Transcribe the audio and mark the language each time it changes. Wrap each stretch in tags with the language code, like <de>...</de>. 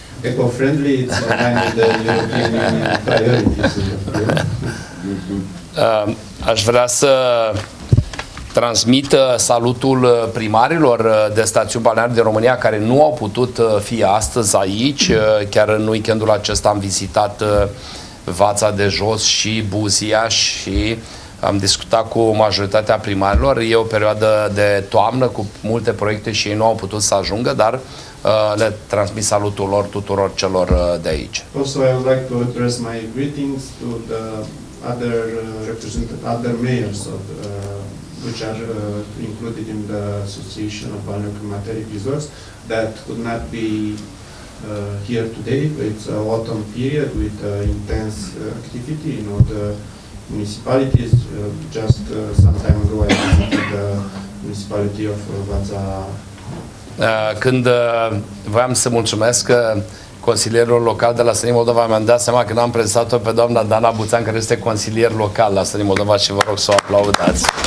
<en>Eco-friendly, it's aligned with the European Union priorities.</en> <ro>Aș vrea să transmit salutul primarilor de stațiuni balneare din România care nu au putut fi astăzi aici. Chiar în weekendul acesta am vizitat Vața de Jos și Buzia și am discutat cu majoritatea primarilor. E o perioadă de toamnă cu multe proiecte și ei nu au putut să ajungă, dar le transmit salutul lor tuturor celor de aici.</ro> <en>Also, I would like to address my greetings to the other representative, other mayors of which are included in the Association of Balneo Climatic Resorts that could not be here today. It's an autumn period with intense activity. You know, the municipalities, just some time ago, I visited the municipality of Vaza.</en> <ro>Când voiam să mulțumesc consilierul local de la SLANIC Moldova, mi-am dat seama că n-am prezentat-o pe doamna Dana Buțan, care este consilier local la SLANIC Moldova și vă rog să o aplaudați.</ro>